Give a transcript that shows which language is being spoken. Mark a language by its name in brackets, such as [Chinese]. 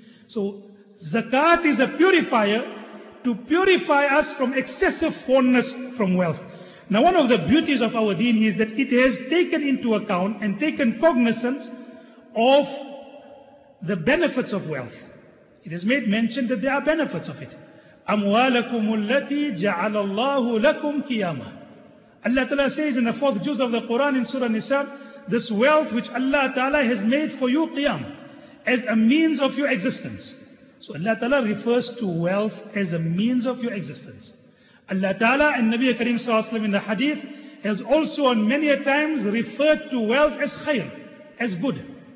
[English] So zakat is a purifier to purify us from excessive fondness from wealth. Now one of the beauties of our deen is that it has taken into account and taken cognizance of the benefits of wealth. It has made mention that there are benefits of it. [Arabic] أموالكم التي جعل الله لكم قياما. [English] Allah Ta'ala says in the fourth juz of the Quran in Surah Nisa, this wealth which Allah Ta'ala has made for you qiyam, as a means of your existence. So Allah Ta'ala refers to wealth as a means of your existence. Allah Ta'ala and Nabi Kareem Sallallahu Alaihi Wasallam in the hadith has also on many a times referred to wealth as khayr, as good.